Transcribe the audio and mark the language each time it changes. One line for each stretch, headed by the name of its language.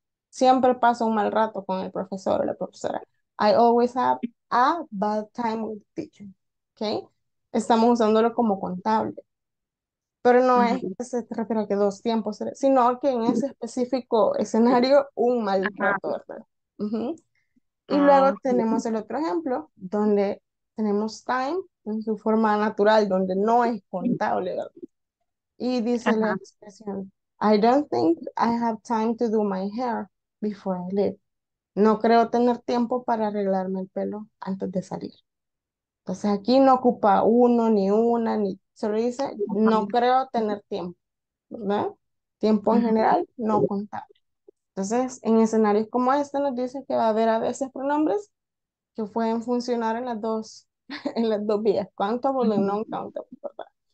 Spanish: Siempre paso un mal rato con el profesor o la profesora.
English: I always have a bad time with the teacher.
Spanish: ¿Okay? Estamos usándolo como contable. Pero no es que se refiere a que dos tiempos, sino que en ese específico escenario, un mal rato, ¿verdad? Y luego tenemos el otro ejemplo, donde tenemos time en su forma natural, donde no es contable, ¿verdad? Y dice la expresión,
English: I don't think I have time to do my hair before I leave.
Spanish: No creo tener tiempo para arreglarme el pelo antes de salir. Entonces aquí no ocupa uno, ni una, ni solo dice, no creo tener tiempo, ¿verdad? Tiempo en general, no contable. Entonces, en escenarios como este nos dice que va a haber a veces pronombres que pueden funcionar en las dos vías, countable y non countable, ¿verdad?